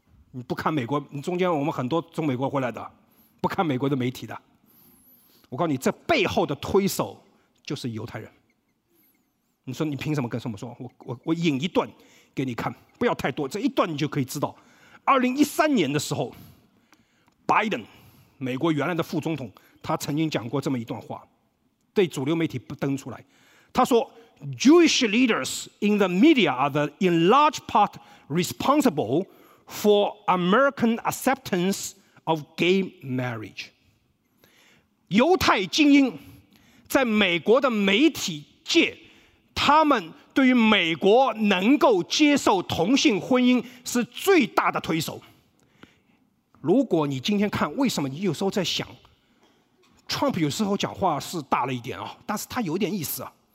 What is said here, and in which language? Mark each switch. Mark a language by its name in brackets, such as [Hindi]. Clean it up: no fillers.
[Chinese] 你不看美国，你中间我们很多从美国回来的，不看美国的媒体的，我告诉你，这背后的推手就是犹太人。你说你凭什么跟什么说？我引一段给你看，不要太多，这一段你就可以知道。 2013年的时候，拜登，美国原来的副总统，他曾经讲过这么一段话，对主流媒体不登出来。他说 [English] ：“Jewish leaders in the media are in large part responsible for American acceptance of gay marriage。” [Chinese] 犹太精英在美国的媒体界，他们对于美国能够接受同性婚姻是最大的推手。如果你今天看，为什么你有时候在想 ，Trump 有时候讲话是大了一点啊，但是他有点意思啊。